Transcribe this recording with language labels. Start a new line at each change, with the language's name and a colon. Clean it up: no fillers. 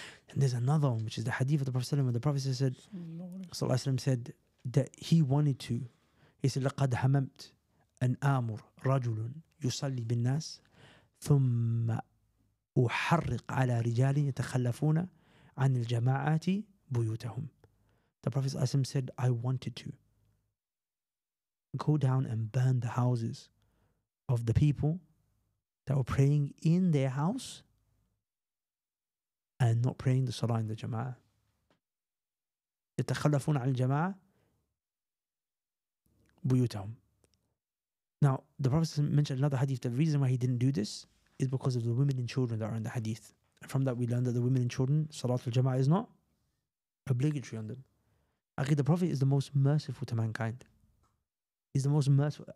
English: And there's another one, which is the hadith of the Prophet ﷺ, where the Prophet said, ﷺ said that he wanted to. He said,
Arabic: لَقَدْ هَمَمْتْ أَنْ أَمُرْ رَجُلٌ يُصَلِّي بِالنَّاسِ ثُمَّ أُحَرِّقْ عَلَى رِجَالٍ يَتَخَلَّفُونَ عَنِ الْجَمَاعَةِ بُيُوتَهُمْ.
English: The Prophet ﷺ said, I wanted to. go down and burn the houses of the people that were praying in their house and not praying the salah in the jama'ah.
Arabic: يتخلفون عن الجماعة بيوتهم.
English: Now, the Prophet mentioned another hadith. The reason why he didn't do this is because of the women and children that are in the hadith. And from that we learn that the women and children, Salatul Jama'ah is not obligatory on them. Okay, the Prophet is the most merciful to mankind. He's the most merciful.